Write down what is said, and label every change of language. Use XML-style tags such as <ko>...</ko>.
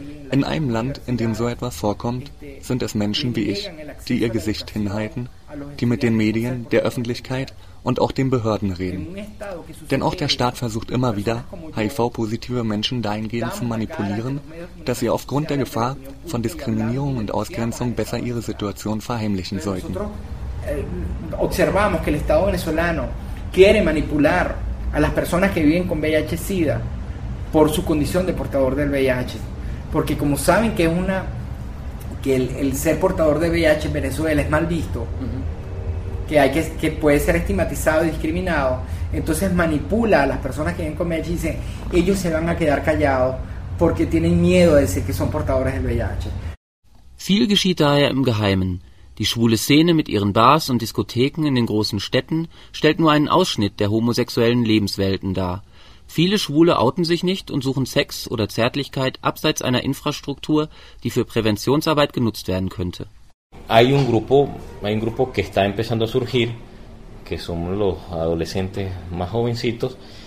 <de>In einem Land, in dem so etwas vorkommt, sind es Menschen wie ich, die ihr Gesicht hinhalten, die mit den Medien, der Öffentlichkeit und auch den Behörden reden. Denn auch der Staat versucht immer wieder, HIV-positive Menschen dahingehend zu manipulieren, dass sie aufgrund der Gefahr von Diskriminierung und Ausgrenzung besser ihre Situation verheimlichen sollten.</de> <es>Observamos que el Estado venezolano quiere manipular a las personas que viven con VIH-Sida por su condición de portador del VIH, porque como saben que el ser portador de VIH en Venezuela es mal visto, que puede ser estigmatizado y discriminado, entonces manipula a las personas que viven con VIH y dicen, ellos se van a quedar callados porque tienen miedo de decir que son portadores del VIH.</es> <de>Viel geschieht daher im Geheimen. Die schwule Szene mit ihren Bars und Diskotheken in den großen Städten stellt nur einen Ausschnitt der homosexuellen Lebenswelten dar. Viele Schwule outen sich nicht und suchen Sex oder Zärtlichkeit abseits einer Infrastruktur, die für Präventionsarbeit genutzt werden könnte.</de> <es>Hay un grupo, que está empezando a surgir, que son los adolescentes más jovencitos.</es>